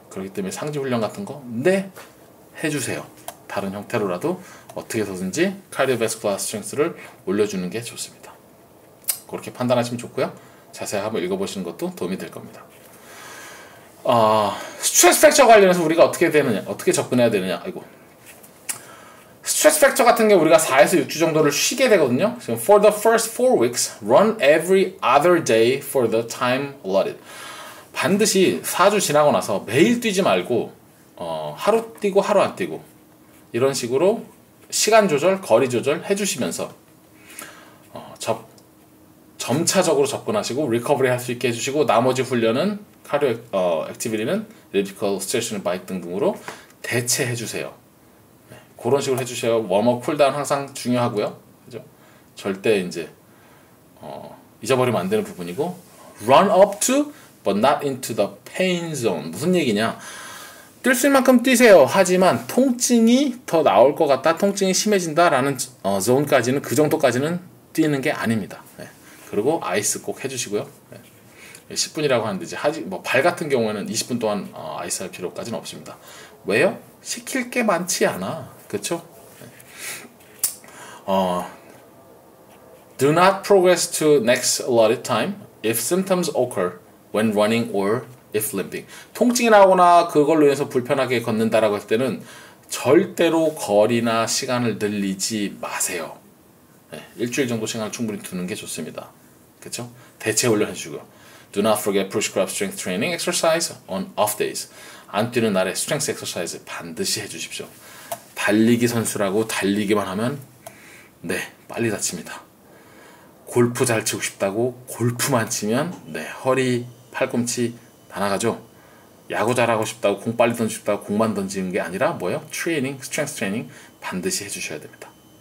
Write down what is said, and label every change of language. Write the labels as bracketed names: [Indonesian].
[Korean] 그렇기 때문에 상지 훈련 같은 거 네 해주세요. 다른 형태로라도 어떻게서든지 카디오바스큘러 스트렝스를 올려주는 게 좋습니다. 그렇게 판단하시면 좋고요. 자세히 한번 읽어보시는 것도 도움이 될 겁니다. 스트레스 팩처 관련해서 우리가 어떻게 되느냐, 어떻게 접근해야 되느냐, 아이고. 스트레스 팩터 같은 게 우리가 4에서 6주 정도를 쉬게 되거든요. [English] For the first 4 weeks, run every other day for the time allotted. [Korean] 반드시 4주 지나고 나서 매일 뛰지 말고 하루 뛰고 하루 안 뛰고 이런 식으로 시간 조절, 거리 조절 해주시면서 점차적으로 접근하시고 리커버리 할 수 있게 해주시고 나머지 훈련은 카디오 액티비티는 엘리프티컬, 스트레스 바이크 등등으로 대체해주세요. 그런 식으로 해주세요. 웜업, 쿨다운 항상 중요하고요. 그죠? 절대 이제 잊어버리면 안 되는 부분이고 [English] run up to but not into the pain zone. [Korean] 무슨 얘기냐? 뛸 수 있는 만큼 뛰세요. 하지만 통증이 더 나올 것 같다. 통증이 심해진다라는 zone까지는 그 정도까지는 뛰는 게 아닙니다. 네. 그리고 아이스 꼭 해주시고요. 네. 10분이라고 하는데 이제 발 같은 경우에는 20분 동안 아이스 할 필요까지는 없습니다. 왜요? 시킬 게 많지 않아. 그쵸? [English] Do not progress to next allotted time if symptoms occur when running or if limping. [Korean] 통증이 나거나 그걸로 인해서 불편하게 걷는다라고 할 때는 절대로 거리나 시간을 늘리지 마세요. 네, 일주일 정도 시간을 충분히 두는 게 좋습니다. 그쵸? 대체 훈련 해주고요. [English] Do not forget push grip strength training exercise on off days. [Korean] 안 뛰는 날에 스트렝스 엑서사이즈 반드시 해주십시오. 달리기 선수라고 달리기만 하면 네 빨리 다칩니다. 골프 잘 치고 싶다고 골프만 치면 네 허리 팔꿈치 다 나가죠. 야구 잘하고 싶다고 공 빨리 던지고 싶다고 공만 던지는 게 아니라 뭐예요? 트레이닝, 스트렝스 트레이닝 반드시 해주셔야 됩니다.